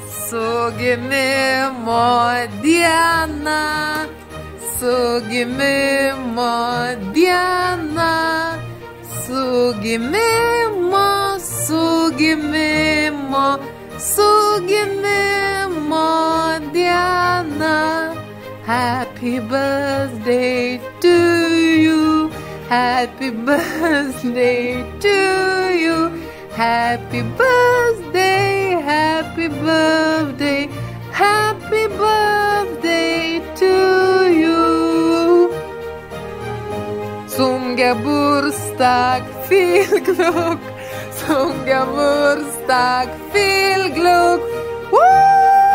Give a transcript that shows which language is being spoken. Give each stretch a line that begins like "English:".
Lithuanian: Su gimimo diena, su gimimo diena, su gimimo, su gimimo, su gimimo diena.
English: Happy birthday to you, happy birthday to you, happy birthday, happy birthday, happy birthday to you.
German: Zum Geburtstag viel Glück, zum Geburtstag viel Glück.